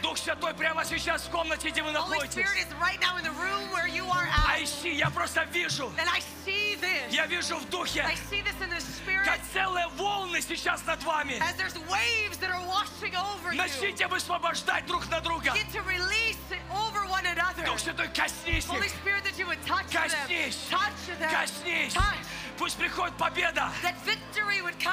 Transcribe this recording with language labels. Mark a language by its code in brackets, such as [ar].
[ru] Дух Святой прямо сейчас в комнате, где вы находитесь. [en] Holy Spirit is right now in the room where you are at. I see, [ru] я просто вижу. [en] And I see this. [ru] Я вижу в духе. [en] I see this in the spirit. [ru] Как целые волны сейчас над вами. [en] As there's waves that are washing over you. [ru] Начните высвобождать друг на друга. [en] Get to release over one another. [ru] Дух Святой, коснись. [en] Holy Spirit, that you would touch [ru] коснись. [en] Them. Touch them. [ru] Коснись. [en] Touch. [ru] Пусть приходит победа. [en] That victory would come.